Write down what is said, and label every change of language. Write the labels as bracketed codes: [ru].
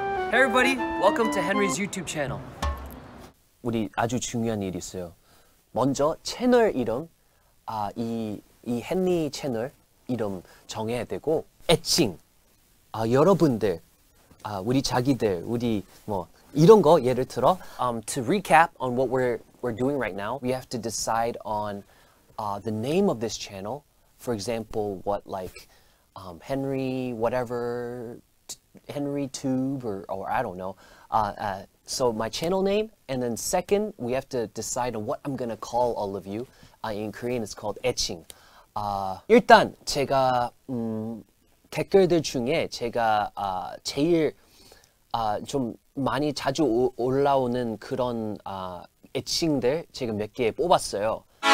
[en] Hey everybody, welcome to Henry's YouTube channel. [ko] 우리 아주 중요한 일이 있어요. 먼저 채널 이름, 이 헨리 채널 이름 정해야 되고, 애칭, 여러분들, 우리 자기들, 우리 뭐 이런 거 예를 들어. [en] To recap on what we're doing right now, we have to decide on the name of this channel. For example, what like Henry, whatever, Henry Tube or I don't know. So my channel name, and then second, we have to decide on what I'm gonna call all of you. In Korean, it's called 애칭. [ko] 일단 제가 댓글들 중에 제가 제일 좀 많이 자주 올라오는 그런 애칭들 제가 몇 개 뽑았어요.